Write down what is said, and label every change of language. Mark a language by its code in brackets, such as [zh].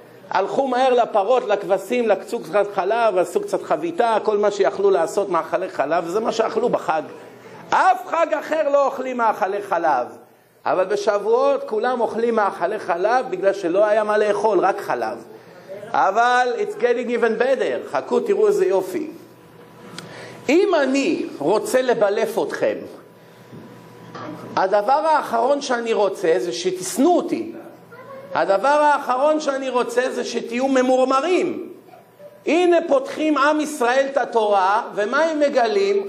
[he] הלכו מהר לפרות, לכבשים, לקצו קצת חלב, עשו קצת חביתה, כל מה שיכלו לעשות מאכלי חלב, זה מה שאכלו בחג. אף חג אחר לא אוכלים מאכלי חלב. אבל בשבועות כולם אוכלים מאכלי חלב בגלל שלא היה מה לאכול, רק חלב. אבל [en] it's getting even better. [he] חכו, תראו איזה יופי. אם אני רוצה לבלף אתכם, הדבר האחרון שאני רוצה זה שתסנו אותי. הדבר האחרון שאני רוצה זה שתהיו ממורמרים. הנה פותחים עם ישראל את התורה, ומה הם מגלים?